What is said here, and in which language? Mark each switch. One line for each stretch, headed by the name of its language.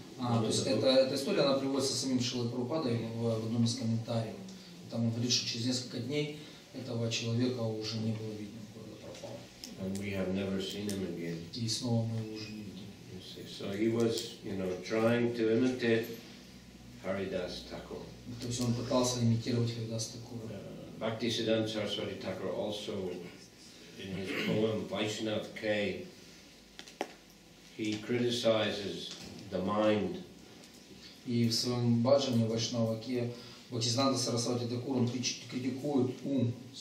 Russian: Эта история она приводится самим Шрилой Прабхупадой в одном из комментариев. Там он говорит, что через несколько дней этого человека уже не было видно, куда пропал.
English: And we have never seen him again.
Russian: И снова мы его уже не.
English: So he was, you know, trying to imitate Haridas Thakur.
Russian: То есть он пытался имитировать Харидаса Такура.
English: Бхактисиддханта Сарасвати Такур also in his poem Vaishnav K, he criticizes the mind.
Russian: И в своем бажане Вайшнава Ке Бхактисиддханта Сарасвати Такур он критикует ум.